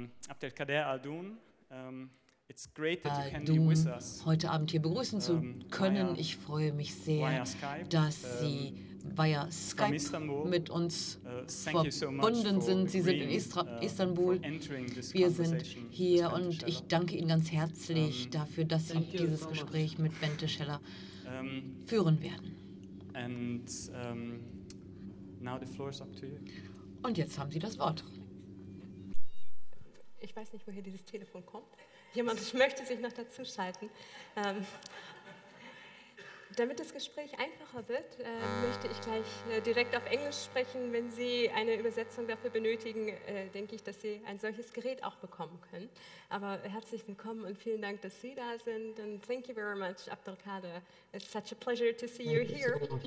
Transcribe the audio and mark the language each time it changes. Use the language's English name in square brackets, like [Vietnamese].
[English] Abdelkader Al-Doum, it's great that you can be with us. [German] Heute Abend hier begrüßen zu können. Ich freue mich sehr, dass Sie via Skype mit uns verbunden sind. Sie sind in Istanbul. Wir sind hier und ich danke Ihnen ganz herzlich dafür, dass Sie dieses Gespräch mit Bente Scheller führen werden. [English] Now the floor is up to you. [German] Und jetzt haben Sie das Wort. Ich weiß nicht, woher dieses Telefon kommt. Jemand möchte sich noch dazu schalten. Damit das Gespräch einfacher wird, möchte ich gleich direkt auf Englisch sprechen. Wenn Sie eine Übersetzung dafür benötigen, denke ich, dass Sie ein solches Gerät auch bekommen können. Aber herzlich willkommen und vielen Dank, dass Sie da sind. [English] And thank you very much, Abdelkader. It's such a pleasure to see you here.